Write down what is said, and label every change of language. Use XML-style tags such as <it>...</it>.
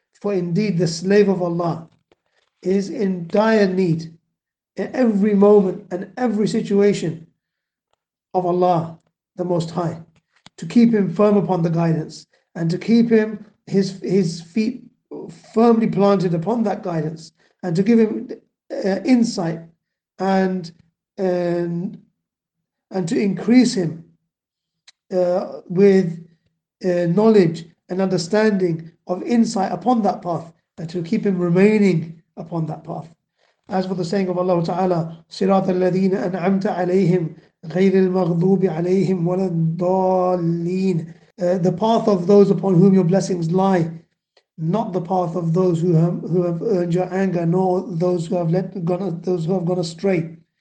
<en>For indeed the slave of Allah is in dire need in every moment and every situation of Allah, the Most High, to keep him firm upon the guidance and to keep him, his feet firmly planted upon that guidance, and to give him insight and to increase him with knowledge and understanding of insight upon that path, and to keep him remaining upon that path. As for the saying of Allah Ta'ala,</en> <ar>Sirat al-Ladina an'amta alayhim غير المغضوب عليهم ولا الضالين.</ar> <en>The path of those upon whom your blessings lie, not the path of those who have earned your anger, nor those who have gone astray.</en>